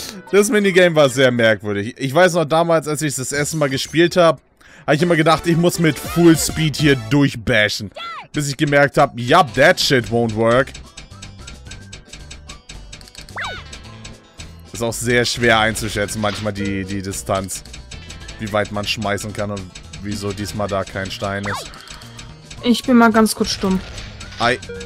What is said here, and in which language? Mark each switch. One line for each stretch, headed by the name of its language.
German: Das Minigame war sehr merkwürdig. Ich weiß noch damals, als ich das erste Mal gespielt habe, habe ich immer gedacht, ich muss mit Full Speed hier durchbashen. Bis ich gemerkt habe,
English: yup, that shit won't work.
German: Ist auch sehr schwer einzuschätzen, manchmal die Distanz. Wie weit man schmeißen kann und wieso diesmal da kein Stein ist. Ich bin mal ganz kurz stumm. Ei.